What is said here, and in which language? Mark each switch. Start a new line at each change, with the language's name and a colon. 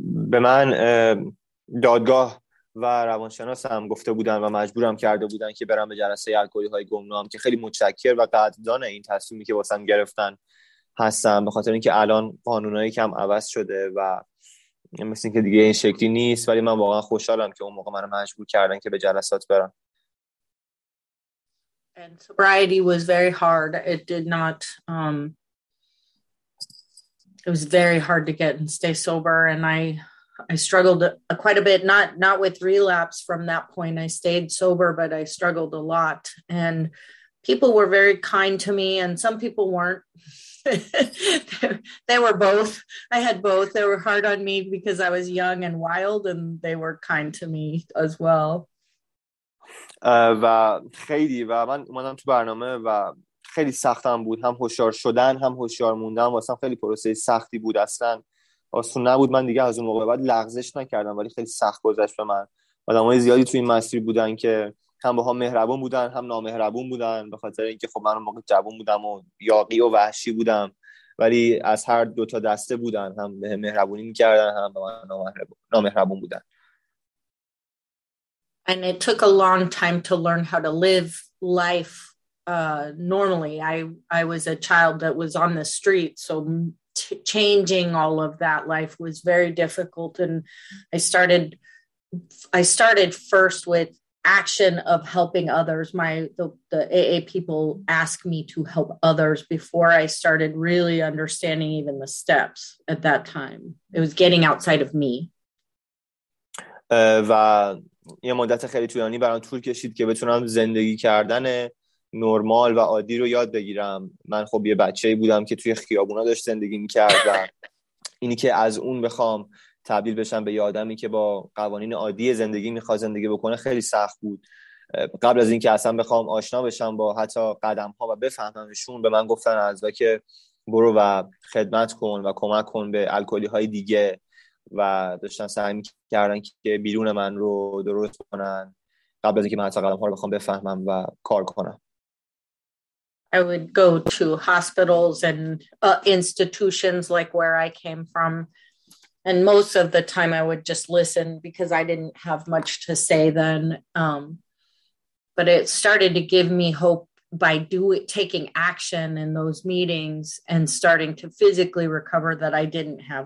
Persian: به من دادگاه و روانشناسم گفته بودن و مجبورم کرده بودن که برم به جلسه الکلی های گمنام که خیلی متشکر و قدردان این تصمیمی که واسم گرفتن هستم، به خاطر اینکه الان قانونایی کم عوض شده و مثل اینکه دیگه این شکلی نیست، ولی من واقعا خوشحالم که اون موقع منو مجبور کردن که به جلسات برم.
English: And sobriety was very hard. It did not it was very hard to get and stay sober and I struggled quite a bit, not with relapse from that point. I stayed sober but I struggled a lot and people were very kind to me and some people weren't. They were both. I had both. They were hard on me because I was young and wild, and they were kind to me as well.
Persian: و خیلی و من اومدم تو برنامه و خیلی سختم بود، هم هوشیار شدن هم هوشیار موندن واسه من خیلی پروسه سختی بود، اصلا آسون نبود. من دیگه از اون موقع بعد لغزش نکردم ولی خیلی سخت گذشت به من. آدمای زیادی تو این مسیر بودن که هم با هم مهربون بودن هم نامهربون بودن، به خاطر اینکه خب من موقع جوان بودم و یاقی و وحشی بودم، ولی از هر دو تا دسته بودن، هم به مهربونی میکردن هم به من نامهربون بودن.
English: And it took a long time to learn how to live life normally. I was a child that was on the street, so changing all of that life was very difficult. And I started first with action of helping others. The AA people asked me to help others before I started really understanding even the steps at that time. It was getting outside of me.
Persian: و یه مدت خیلی طولانی برام طول کشید که بتونم زندگی کردن نرمال و عادی رو یاد بگیرم. من خب یه بچه‌ای بودم که توی خیابونا داشت زندگی می‌کرد و اینی که از اون بخوام تبدیل بشم به یه آدمی که با قوانین عادی زندگی می‌خواد زندگی بکنه خیلی سخت بود. قبل از اینکه اصلا بخوام آشنا بشم با حتی قدم‌ها و بفهممشون، به من گفتن از و که برو و خدمت کن و کمک کن به الکلی‌های دیگه و داشتن سعی می‌کردن که بیرون من رو درست کنن قبل از اینکه من حتی قدم‌ها رو بخوام بفهمم و کار کنم.
English: I would go to hospitals and institutions like where I came from, and most of the time I would just listen because I didn't have much to say then. But it started to give me hope by taking action in those meetings and starting to physically recover that I didn't have.